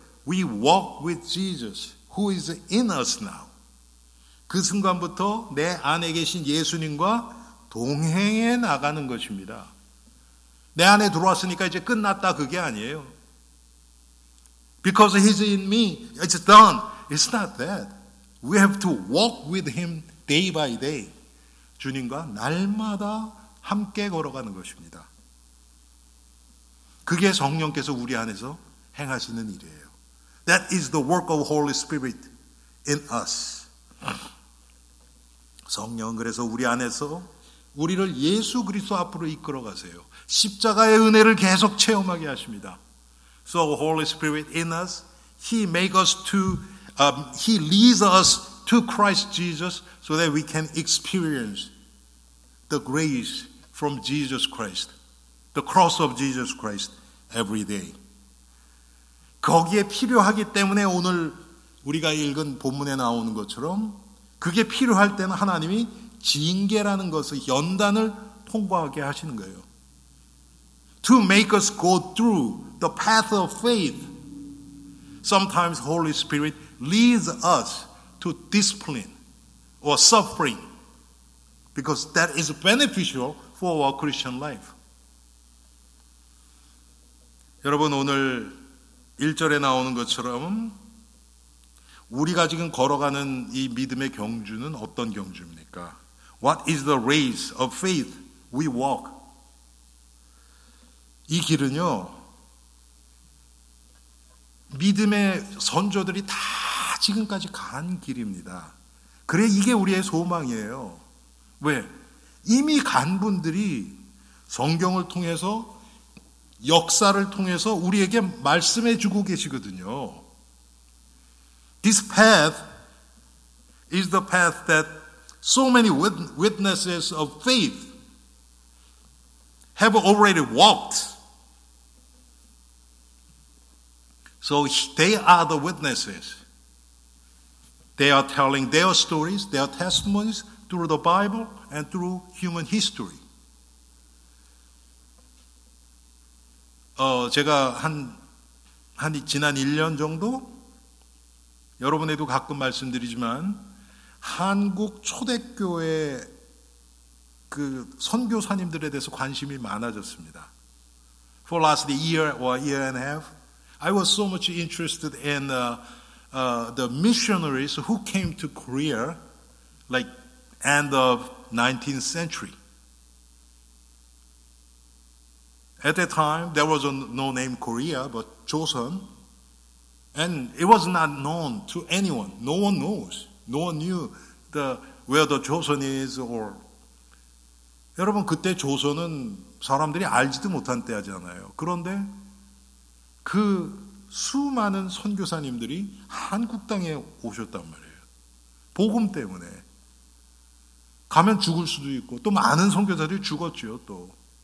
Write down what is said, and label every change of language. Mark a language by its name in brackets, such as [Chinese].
[English] We walk with Jesus who is in us now. [Korean] 그 순간부터 내 안에 계신 예수님과 동행해 나가는 것입니다. 내 안에 들어왔으니까 이제 끝났다 그게 아니에요. [English] Because he's in me, it's done. It's not that. We have to walk with him day by day. [Korean] 주님과 날마다 함께 걸어가는 것입니다. 그게 성령께서 우리 안에서 행하시는 일이에요. [English] That is the work of Holy Spirit in us. [Korean] 성령은 그래서 우리 안에서 우리를 예수 그리스도 앞으로 이끌어 가세요. 십자가의 은혜를 계속 체험하게 하십니다. [English] So Holy Spirit in us, he make us to he leads us to Christ Jesus so that we can experience the grace from Jesus Christ, the cross of Jesus Christ every day. [Korean] 거기에 필요하기 때문에 오늘 우리가 읽은 본문에 나오는 것처럼 그게 필요할 때는 하나님이 징계라는 것을 연단을 통과하게 하시는 거예요. [English] To make us go through the path of faith, sometimes Holy Spirit leads us to discipline or suffering because that is beneficial for our Christian life. [Korean] 여러분 오늘 1절에 나오는 것처럼 우리가 지금 걸어가는 이 믿음의 경주는 어떤 경주입니까? [English] What is the race of faith we walk? [Korean] 이 길은요, 믿음의 선조들이 다 지금까지 간 길입니다. 그래, 이게 우리의 소망이에요. 왜? 이미 간 분들이 성경을 통해서 역사를 통해서 우리에게 말씀해 주고 계시거든요. [English] This path is the path that so many witnesses of faith have already walked. So they are the witnesses. They are telling their stories, their testimonies through the Bible and through human history. [Korean] 제가 한 지난 1년 정도 여러분에게도 가끔 말씀드리지만 한국 초대교회 그 선교사님들에 대해서 관심이 많아졌습니다. [English] For last year or year and a half, I was so much interested in the missionaries who came to Korea like end of 19th century. At that time, there was no name Korea, but Joseon. And it was not known to anyone. No one knows. No one knew where the Joseon is or... [Korean] 여러분, 그때 조선은 사람들이 알지도 못한 때잖아요. 그런데 그 수많은 선교사님들이 한국 땅에 오셨단 말이에요. 복음 때문에. 가면 죽을 수도 있고, 또 많은 선교사들이 죽었죠, 또.